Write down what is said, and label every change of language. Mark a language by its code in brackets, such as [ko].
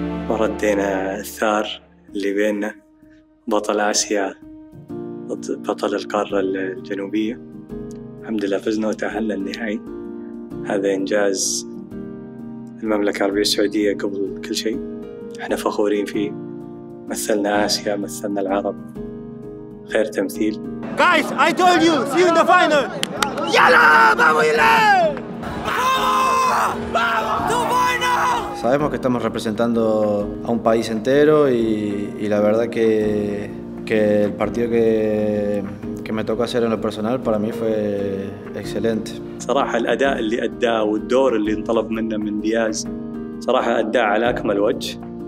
[ar] ردينا الثار اللي بيننا، بطل آسيا ضد بطل القارة الجنوبية. الحمد لله فزنا وتأهلنا النهائي. هذا إنجاز المملكة العربية السعودية قبل كل شيء، احنا فخورين فيه. مثلنا آسيا، مثلنا العرب، غير تمثيل. [en] Guys, I told you, see you in the final. [ar] يلا بابو يلا [es] Sabemos que estamos representando a un país entero y la verdad que el partido que me tocó hacer en lo personal para mí fue excelente. [ar] صراحة الأداء اللي أداه والدور اللي انطلب منه من دياز صراحة أداه على أكمل وجه.